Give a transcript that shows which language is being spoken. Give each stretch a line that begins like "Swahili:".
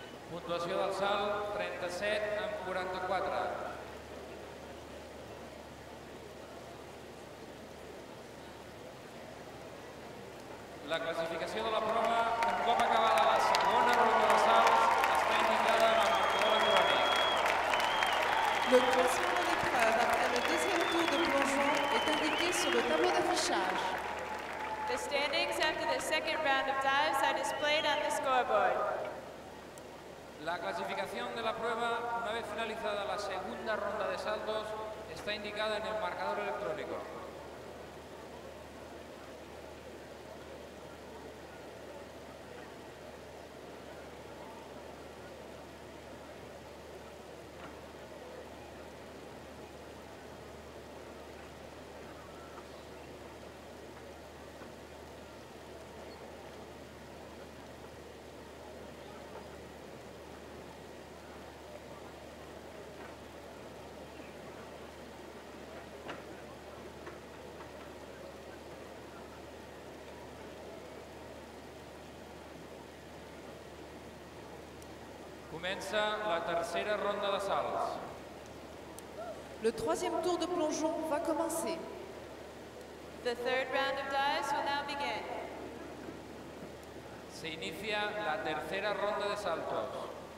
Catalan: Puntuació del salt, 37-44. La classificació de la prova, un cop acabada la segona ronda de salts, està indicada en el marcador electrònic.
French: Le classement de l'épreuve après le deuxième tour de plongeon est indiqué sur le tableau d'affichage.
English: The standings after the second round of dives are displayed on the scoreboard.
Spanish: La clasificación de la prueba, una vez finalizada la segunda ronda de saltos, está indicada en el marcador electrónico.
Catalan: Comença la tercera ronda de salts.
French: Le troisième tour de plongeon va commencer.
English: The third round of dives will now begin.
Spanish: Se inicia la tercera ronda de saltos.